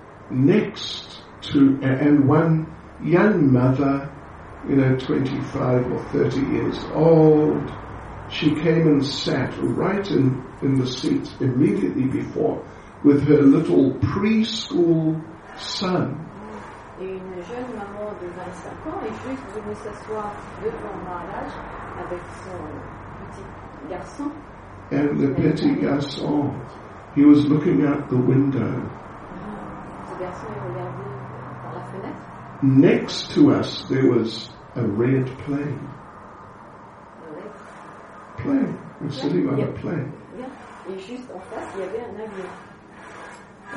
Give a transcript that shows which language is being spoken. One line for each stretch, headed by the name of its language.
English: Next to, and one young mother, you know, 25 or 30 years old, she came and sat right in the seat immediately before with her little preschool son.
French: Et une jeune maman de 25 ans est juste venue s'asseoir devant Maharaj avec son petit garçon.
English: And the
French: petit garçon,
English: he was looking out the window.
French: Ce garçon est regardé par la fenêtre.
English: Next to us, there was a red plane. Plane. We're sitting on a plane.
French: Et juste en face, il y avait un avion.